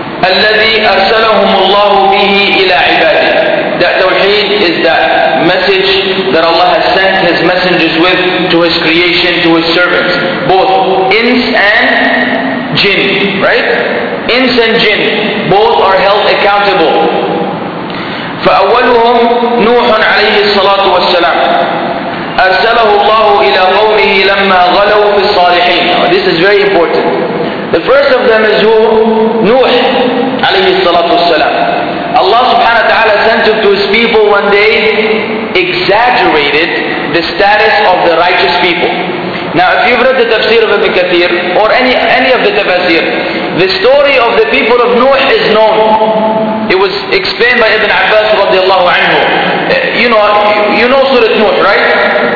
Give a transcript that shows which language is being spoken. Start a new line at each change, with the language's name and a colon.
Arabic: الَّذِي أَرْسَلَهُمُ اللَّهُ بِهِ إِلَىٰ عِبَادِهِ.
English: That Tawheed is that message that Allah has sent His messengers with to His creation, to His servants, both ins and jinn, right? Ins and jinn, both are held accountable.
Arabic: فأولهم نوح عليه الصلاة والسلام أرسله الله إلى قومه لما غلوا في الصالحين.
English: This is very important. The first of them is who?
Arabic: Nuh عليه الصلاة والسلام.
English: Allah subhanahu wa ta'ala sent him to his people when they exaggerated the status of the righteous people. Now if you've read the tafsir of Ibn Kathir or any of the tafsir, the story of the people of Nuh is known. It was explained by Ibn Abbas radiallahu anhu. You know Surah Nuh, right?